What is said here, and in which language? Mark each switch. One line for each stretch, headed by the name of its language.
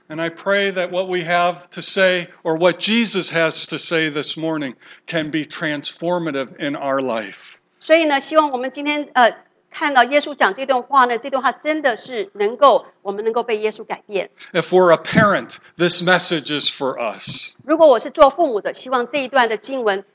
English: And I pray that what we have to say, or what Jesus has to say this morning, can be transformative in our life.
Chinese: 所以呢，希望我们今天看到耶稣讲这段话呢，这段话真的是能够我们能够被耶稣改变。
English: If we're a parent, this message is for us.
Chinese: 如果我是做父母的，希望这一段的经文。